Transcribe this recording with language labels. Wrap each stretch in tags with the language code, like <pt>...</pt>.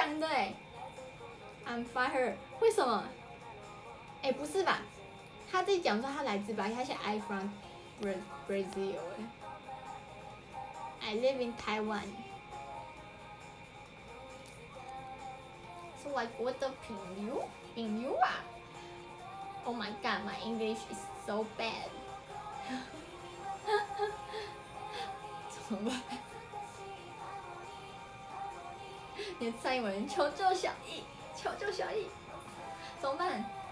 <zh>讲的哎 ，</zh> <en>I'm fire，</en> <zh>为什么？哎，不是吧？他自己讲说他来自巴西，他写</zh> <en>I from Brazil， I live in Taiwan，</en> <zh>是外国的朋友，朋友啊 ！</zh> <en>Oh my god， my English is so bad，</en> <zh>怎么办？你的蔡英文，求救小易，求救小易，怎么办？</zh>